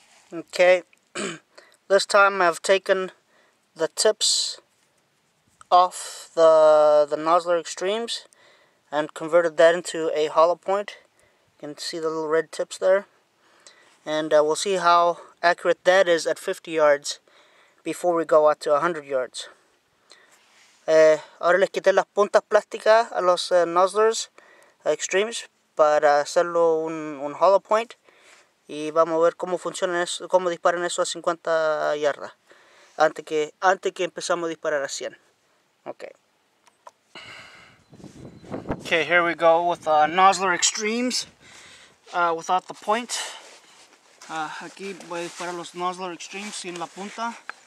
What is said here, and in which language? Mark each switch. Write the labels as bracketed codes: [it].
[en] Okay, this time I've taken the tips off the Nosler extremes and converted that into a hollow point. You can see the little red tips there. And we'll see how accurate that is at 50 yards before we go out to 100 yards. [es] Ahora les quité las puntas plásticas a los Noslers Extremes para hacerlo un hollow point y vamos a ver cómo funciona eso, cómo disparan eso a 50 yardas antes que empezamos a disparar a 100. [en] Okay. Okay, here we go with Nosler Extremes without the point. [es] Aquí voy a disparar los Nosler Extremes sin la punta.